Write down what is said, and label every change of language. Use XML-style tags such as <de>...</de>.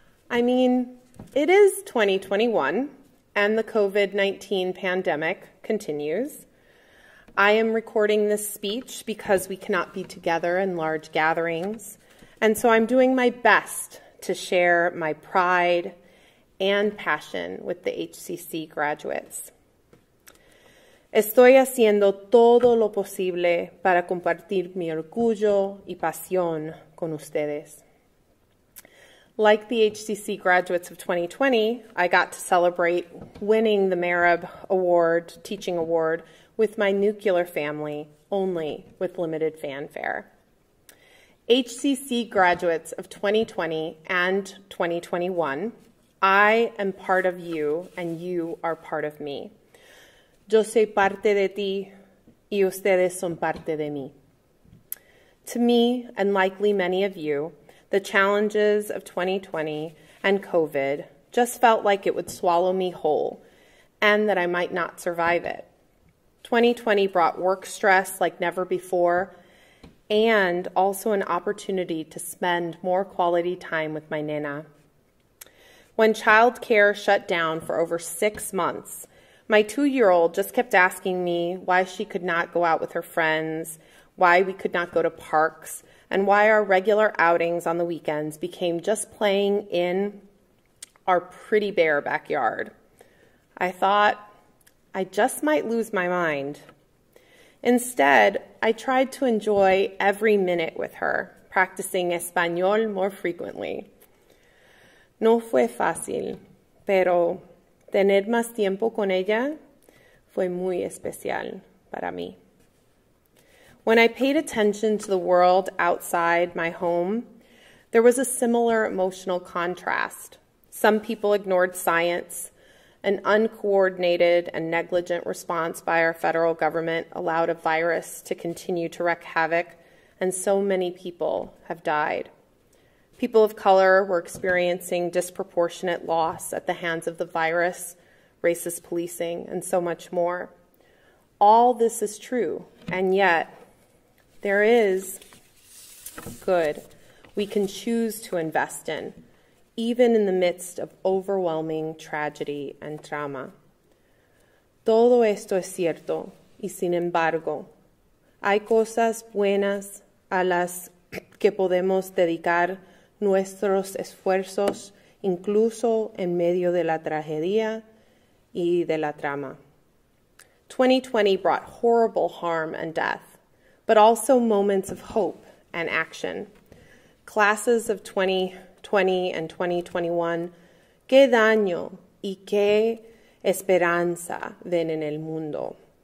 <en>I mean, it is 2021, and the COVID-19 pandemic continues. I am recording this speech because we cannot be together in large gatherings, and so I'm doing my best to share my pride and passion with the HCC graduates.</en> <es>Estoy haciendo todo lo posible para compartir mi orgullo y pasión con ustedes.</es> <en>Like the HCC graduates of 2020, I got to celebrate winning the Marib Award, Teaching Award, with my nuclear family, only with limited fanfare. HCC graduates of 2020 and 2021, I am part of you and you are part of me.</en> <es>Yo soy parte de ti y ustedes son parte de mí.</es> <en>To me, and likely many of you, the challenges of 2020 and COVID just felt like it would swallow me whole and that I might not survive it. 2020 brought work stress like never before and also an opportunity to spend more quality time with my nena. When childcare shut down for over 6 months, my two-year-old just kept asking me why she could not go out with her friends, why we could not go to parks, and why our regular outings on the weekends became just playing in our pretty bare backyard. I thought, I just might lose my mind. Instead, I tried to enjoy every minute with her, practicing Español more frequently.</en> <es>No fue fácil, pero tener más tiempo con ella fue muy especial para mí.</es> <en>When I paid attention to the world outside my home, there was a similar emotional contrast. Some people ignored science. An uncoordinated and negligent response by our federal government allowed a virus to continue to wreak havoc, and so many people have died. People of color were experiencing disproportionate loss at the hands of the virus, racist policing, and so much more. All this is true, and yet there is good we can choose to invest in, even in the midst of overwhelming tragedy and trauma.</en> <es>Todo esto es cierto, y sin embargo, hay cosas buenas a las que podemos dedicar nuestros esfuerzos incluso en medio de la tragedia y de la trama.</es> <en>2020 brought horrible harm and death, but also moments of hope and action. Classes of 2020 and 2021,</en> <es>qué daño y qué esperanza ven en el mundo?</es>